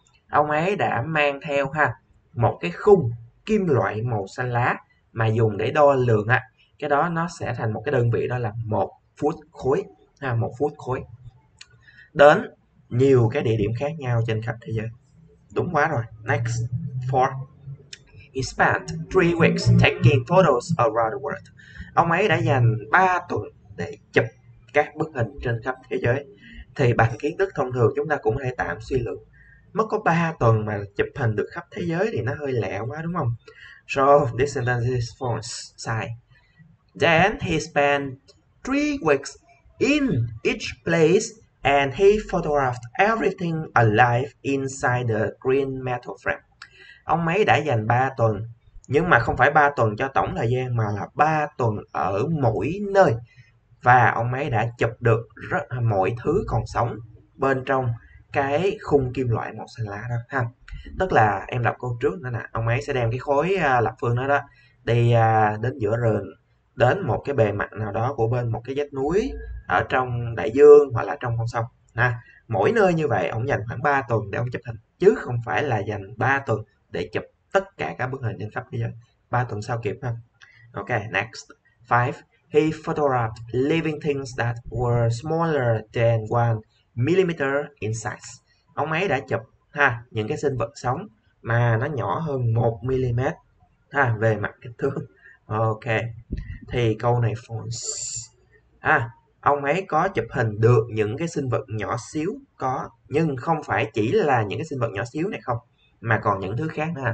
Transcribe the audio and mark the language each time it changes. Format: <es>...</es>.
<vi>Ông ấy đã mang theo ha, một cái khung kim loại màu xanh lá mà dùng để đo lường á, cái đó nó sẽ thành một cái đơn vị, đó là một foot khối ha, một foot khối, đến nhiều cái địa điểm khác nhau trên khắp thế giới. Đúng quá rồi.</vi> <en>Next, four, he spent 3 weeks taking photos around the world.</en> <vi>Ông ấy đã dành 3 tuần để chụp các bức hình trên khắp thế giới. Thì bằng kiến thức thông thường chúng ta cũng hãy tạm suy luận, mất có 3 tuần mà chụp hình được khắp thế giới thì nó hơi lẹ quá đúng không?</vi> <en>So this sentence is false,</en> <vi>sai.</vi> <en>Then he spent 3 weeks in each place and he photographed everything alive inside the green metal frame.</en> <vi>Ông ấy đã dành 3 tuần, nhưng mà không phải 3 tuần cho tổng thời gian mà là 3 tuần ở mỗi nơi. Và ông ấy đã chụp được rất mọi thứ còn sống bên trong cái khung kim loại màu xanh lá đó ha. Tức là em đọc câu trước nữa nè, ông ấy sẽ đem cái khối lập phương đó đó đi đến giữa rừng, đến một cái bề mặt nào đó của bên một cái vách núi ở trong đại dương hoặc là trong con sông ha. Mỗi nơi như vậy ông dành khoảng 3 tuần để ông chụp hình, chứ không phải là dành 3 tuần để chụp tất cả các bức hình trên khắp thế giới. 3 tuần sao kịp ha.</vi> <en>Ok, next, 5, he photographed living things that were smaller than 1 millimeter in size.</en> <vi>Ông ấy đã chụp ha những cái sinh vật sống mà nó nhỏ hơn 1 mm ha về mặt kích thước. Ok, thì câu này false. Ha, ông ấy có chụp hình được những cái sinh vật nhỏ xíu, có, nhưng không phải chỉ là những cái sinh vật nhỏ xíu này không, mà còn những thứ khác nữa.</vi>